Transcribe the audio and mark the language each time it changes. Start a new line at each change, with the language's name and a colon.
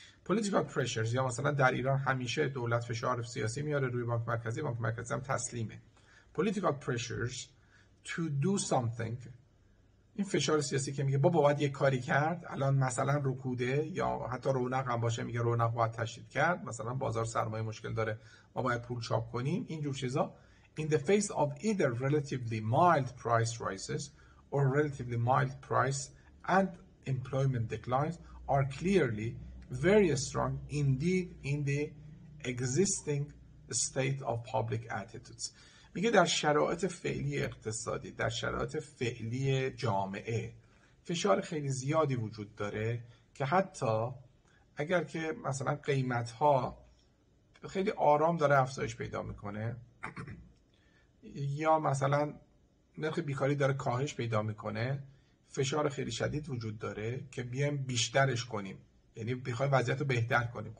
English: Political pressures،
Persian: یا مثلا در ایران همیشه دولت فشار سیاسی میاره روی بانک مرکزی، بانک مرکزی هم تسلیمه.
English: Political pressures to do something.
Persian: این فشار سیاسی که میگه بابا باید یک کاری کرد، الان مثلا رکوده یا حتی رونق هم باشه، میگه رونق باید تشدید کرد، مثلا بازار سرمایه مشکل داره، ما باید پول چاپ کنیم، اینجور چیزا.
English: In the face of either relatively mild price rises or relatively mild price and employment declines are clearly very strong indeed in the existing state of public attitudes.
Persian: میگه در شرایط فعلی اقتصادی، در شرایط فعلی جامعه، فشار خیلی زیادی وجود داره که حتی اگر که مثلا قیمت‌ها خیلی آرام داره افزایش پیدا میکنه یا مثلا نرخ بیکاری داره کاهش پیدا میکنه، فشار خیلی شدید وجود داره که بیایم بیشترش کنیم، یعنی بخوایم وضعیت رو بهتر کنیم.